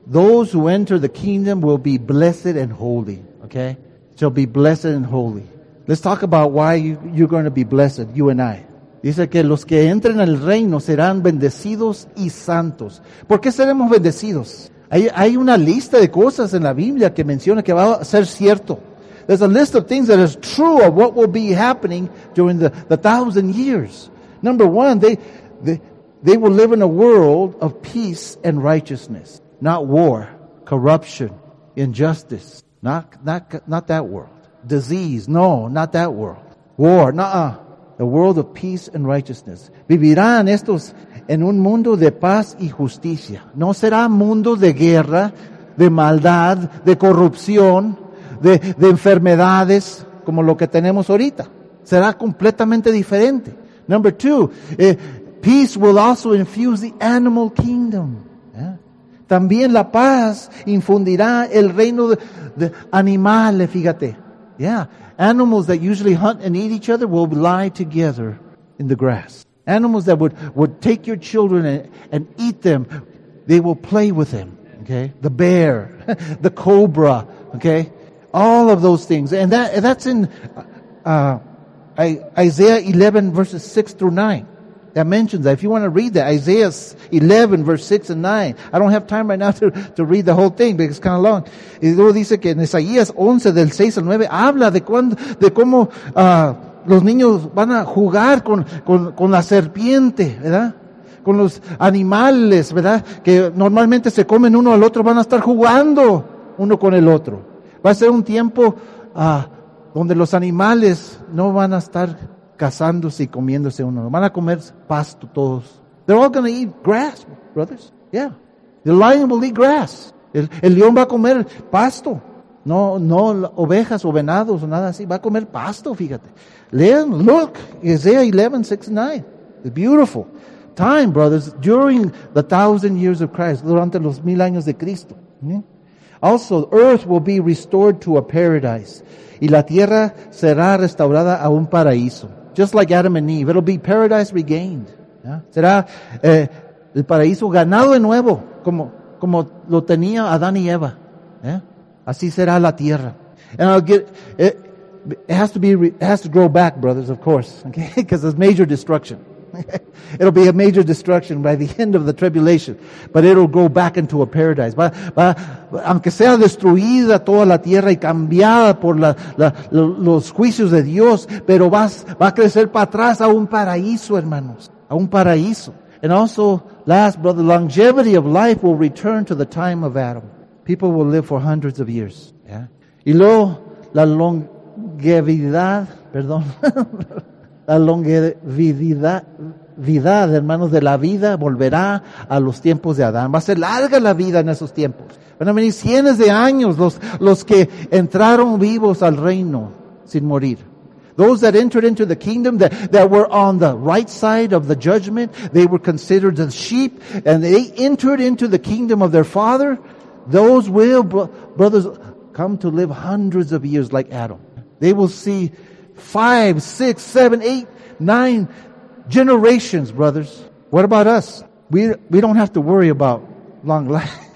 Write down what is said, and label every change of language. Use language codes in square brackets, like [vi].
[en] Those who enter the kingdom will be blessed and holy. Okay? Shall be blessed and holy. Let's talk about why you're going to be blessed, you and I. [es] Dice que los que entren al reino serán bendecidos y santos. ¿Por qué seremos bendecidos? Hay una lista de cosas en la Biblia que menciona que va a ser cierto. [en] There's a list of things that is true of what will be happening during the 1,000 years. Number one, they will live in a world of peace and righteousness, not war, corruption, injustice, not that world, disease, no, not that world, war, nah, the world of peace and righteousness. [es] Vivirán estos en un mundo de paz y justicia. No será mundo de guerra, de maldad, de corrupción, de enfermedades como lo que tenemos ahorita. Será completamente diferente. [en] Number two, peace will also infuse the animal kingdom. Yeah. [es] También la paz infundirá el reino de animales, fíjate. [en] Yeah, animals that usually hunt and eat each other will lie together in the grass. Animals that would take your children and eat them, they will play with them. Okay, the bear, the cobra, okay, all of those things. And that's in Isaiah 11 verses 6 through 9. That mentions that. If you want to read that, Isaiah 11, verse 6 and 9. I don't have time right now to read the whole thing, because it's kind of long. [es] Y luego dice que en Isaías 11, del 6 al 9, habla de cómo los niños van a jugar con la serpiente, ¿verdad? Con los animales, ¿verdad? Que normalmente se comen uno al otro, van a estar jugando uno con el otro. Va a ser un tiempo donde los animales no van a estar cazándose y comiéndose uno. Van a comer pasto todos. [en] They're all going to eat grass, brothers. Yeah. The lion will eat grass. [es] El león va a comer pasto. No ovejas o venados o nada así. Va a comer pasto, fíjate. [en] Look, Isaiah 11, 6, 9. It's beautiful. Time, brothers, during the 1,000 years of Christ, [es] durante los 1,000 años de Cristo. [en] Also, earth will be restored to a paradise. [es] Y la tierra será restaurada a un paraíso. [en] Just like Adam and Eve, it'll be paradise regained. Yeah. [es] Será el paraíso ganado de nuevo, como lo tenía Adán y Eva. Yeah. Así será la tierra. [en] And I'll get it has to grow back, brothers. Of course, okay, because it's major destruction. It'll be a major destruction by the end of the tribulation, but it'll go back into a paradise. [es] Va, aunque sea destruida toda la tierra y cambiada por los juicios de Dios, pero va a crecer para atrás a un paraíso, hermanos, a un paraíso. [en] And also, last, brother, longevity of life will return to the time of Adam. People will live for hundreds of years. Yeah. [es] Y luego, la longevidad, hermanos, de la vida volverá a los tiempos de Adán. Va a ser larga la vida en esos tiempos. Van a venir cientos de años los que entraron vivos al reino sin morir. [en] Those that entered into the kingdom that were on the right side of the judgment, they were considered the sheep, and they entered into the kingdom of their father. Those will, brothers, come to live hundreds of years like Adam. They will see 5, 6, 7, 8, 9 generations, brothers. What about us? We don't have to worry about long life.